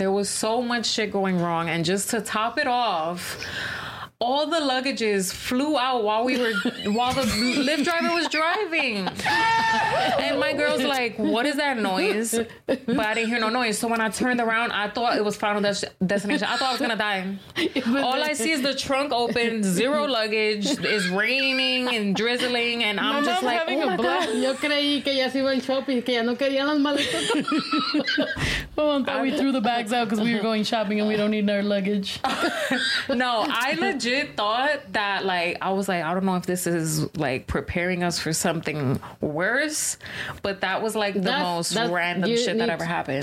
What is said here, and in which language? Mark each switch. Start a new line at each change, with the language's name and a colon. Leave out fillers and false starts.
English: There was so much shit going wrong. And just to top it off, all the luggages flew out while we were while the Lyft driver was driving. And my girl's like, what is that noise? But I didn't hear no noise. So when I turned around, I thought it was Final Destination. I thought I was going to die. All I see is the trunk open, zero luggage. It's raining and drizzling. And I'm just like, having a blast.
Spanish: Yo creí que ya se iba en shopping, que ya no querían las maletas.
English: Well, I thought we threw the bags out because we were going shopping and we don't need our luggage. No, I legit thought that, like, I was like, I don't know if this is like preparing us for something worse, but that was like the most random shit that ever happened.